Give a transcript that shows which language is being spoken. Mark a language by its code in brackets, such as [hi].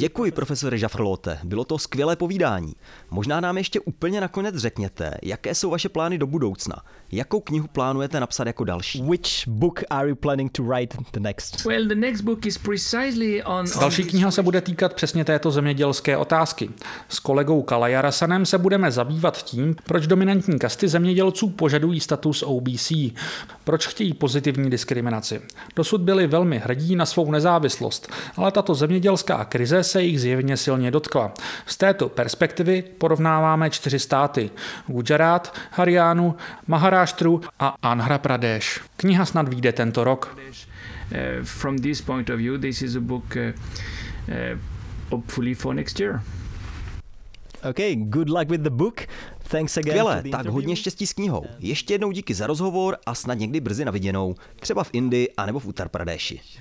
[cs] Děkuji, profesore Žafrlote, bylo to skvělé povídání. Možná nám ještě úplně nakonec řekněte, jaké jsou vaše plány do budoucna. Jakou knihu plánujete napsat jako další? [en] Which book are you planning to write the next? Well, the next book is precisely on... [cs] Další kniha se bude týkat přesně této zemědělské otázky. S kolegou Kalajarasanem se budeme zabývat tím, proč dominantní kasty zemědělců požadují status OBC. Proč chtějí pozitivní diskriminaci. Dosud byli velmi hrdí na svou nezávislost, ale tato zemědělská krize se jich zjevně silně dotkla. Z této perspektivy porovnáváme čtyři státy. Gujarat, Haryánu, Maharashtru a Andhra Pradesh. Kniha snad vyjde tento rok. [en] From this point of view, this is a book hopefully for next year. Okay, good luck with the book. Thanks again. [cs] Skvěle, tak hodně štěstí s knihou. Ještě jednou díky za rozhovor a snad někdy brzy na viděnou, třeba v Indii anebo v Uttar Pradeshi.